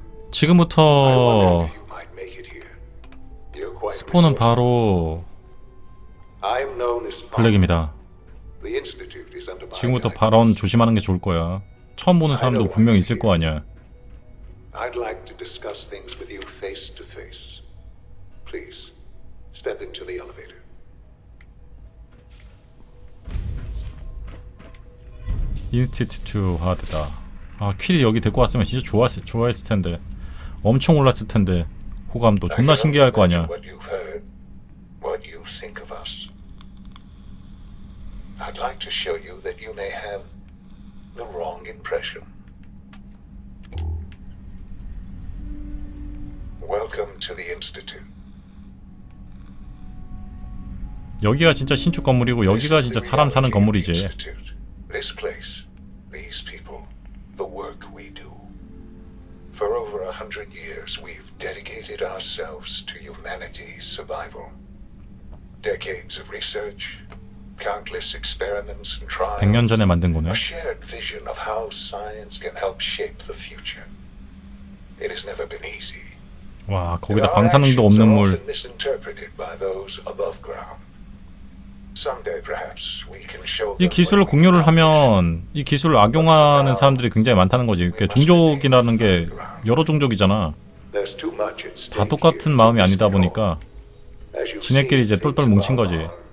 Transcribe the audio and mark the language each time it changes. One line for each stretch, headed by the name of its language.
Korean: 지금부터 스포는 바로 블랙입니다. 지금부터 발언 조심하는 게 좋을 거야. 처음 보는 사람도 분명 있을 거 아니야.
English: I'd like to discuss things with you face to face. Please step into the elevator.
Korean: 인스티튜트 하드다. 아, 퀼이 여기 데리고 왔으면 진짜 좋아했을 텐데. 엄청 올랐을 텐데. 호감도 존나 신기할 거 아니야.
English: What you heard, what you think of us. I'd like to show you that you may have the wrong impression. Welcome to the institute.
Korean: 여기가 진짜 신축 건물이고 여기가 진짜 사람 사는 건물이지.
English: This place, these people, the work we do. For over 100 years, we've dedicated ourselves to humanity's survival. Decades of research, countless experiments and trials.
Korean: 100년 전에 만든 거네.
English: A shared vision of how science can help shape the future. It has never been easy.
Korean: 와, 거기다 방사능도 없는 물.
English: Misinterpreted by those above ground. Someday perhaps we can show.
Korean: 이 기술을 공유를 하면 이 기술을 악용하는 사람들이 굉장히 많다는 거지. 이렇게 종족이라는 게 여러 종족이잖아. 다 똑같은 마음이 아니다 보니까 지네끼리 이제 똘똘 뭉친 거지.